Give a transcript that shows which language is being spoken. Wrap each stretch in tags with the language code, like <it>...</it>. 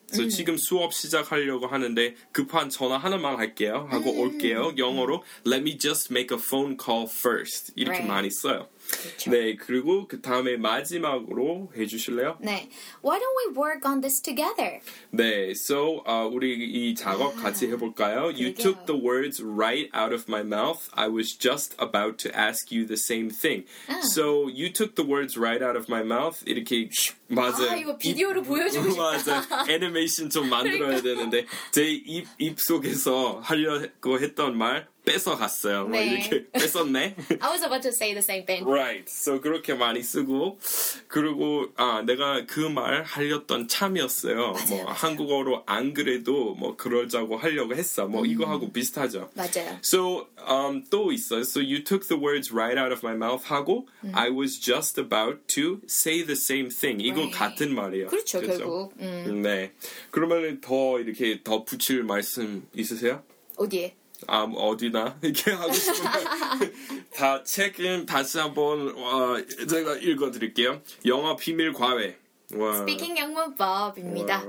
<ko>So 지금 수업 시작하려고 하는데 급한 전화 하나만 할게요. 하고 올게요. 영어로</ko> <en>let me just make a phone call first. 이렇게 right.</en> <ko>많이 써요. 그렇죠. 네, 그리고 그 다음에 마지막으로 해주실래요?</ko> <en>네. Why don't we work on this together?</en> <ko>네,</ko> <en>so</en> <ko>우리 이 작업 같이 해볼까요? 그러게요.</ko> <en>You took the words right out of my mouth. I was just about to ask you the same thing.</en> <ko>아.</ko> <en>So you took the words right out of my mouth.</en> <ko>이렇게 맞아. 아, 이거 비디오로 보여주고 싶다. 맞아. 애니메이션 좀 만들어야 그러니까. 되는데 제 입 속에서 하려고 했던 말 뺏어갔어요. 네. 이렇게 뺏었네.</ko> <en>I was about to say the same thing. Right.</en> <ko>So 그렇게 많이 쓰고 그리고 아 내가 그 말 하려던 참이었어요. 맞아요, 뭐 맞아요. 한국어로 안 그래도 뭐 그러자고 하려고 했어. 뭐 이거하고 비슷하죠. 맞아요. So 또 있어요.</ko> <en>So you took the words right out of my mouth</en> <ko>하고</ko> <en>I was just about to say the same thing.</en> <ko>이거</ko> <en>right.</en> <ko>같은 말이에요. 그렇죠. 그렇죠? 결국. 네. 그러면 더 이렇게 더 붙일 말씀 있으세요? 어디에? 아, 어디나 이렇게 하고 싶은 말. 다 책은 다시 한번 제가 읽어드릴게요. 영어 비밀 과외. 와. Speaking 영문법입니다.</ko>